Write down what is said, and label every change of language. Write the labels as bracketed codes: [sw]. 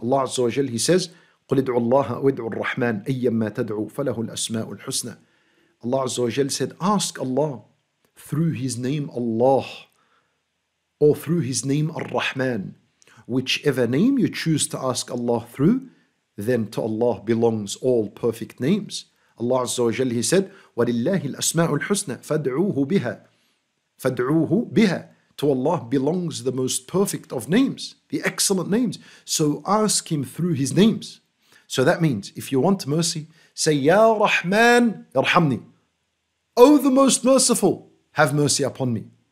[en] Allah Azza wa Jal, he says, [ar] قل ادعوا الله أو ادعوا الرحمن أيما تدعوا فله الأسماء الحسنى. [en] Allah Azza wa Jal said, ask Allah through his name Allah, or through his name Ar-Rahman, whichever name you choose to ask Allah through, then to Allah belongs all perfect names. Allah Azza wa Jalla, He said, [ar] وَلِلَّهِ الْأَسْمَاءُ الْحُسْنَى فَادْعُوهُ بِهَا فَادْعُوهُ بِهَا. [en] To Allah belongs the most perfect of names, the excellent names. So ask Him through His names. So that means, if you want mercy, say, [ar] Ya Rahman, Irhamni. [en] O the most merciful, have mercy upon me.